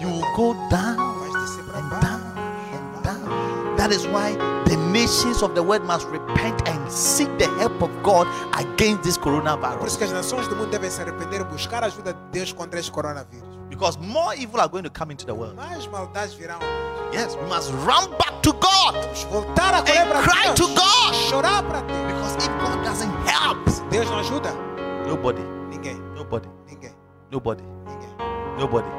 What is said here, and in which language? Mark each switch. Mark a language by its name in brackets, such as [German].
[English] you will go down and down and down. That is why the nations of the world must repent and seek the help of God against this coronavirus. [Portuguese] Por isso que as nações do mundo devem se arrepender e buscar ajuda de Deus contra este coronavírus. [English] Because more evil are going to come into the world. [Portuguese] Mais maldades virão. [English] Yes, we must run back to God. [Portuguese] Vamos voltar a correr para Deus. [English] Cry to God. [Portuguese] Chorar para Deus. [English] Because if God doesn't help, [Portuguese] Deus não ajuda. [English] Nobody. [Portuguese] Ninguém. [English] Nobody. [Portuguese] Ninguém. [English] Nobody. [Portuguese] Ninguém. [English] Nobody.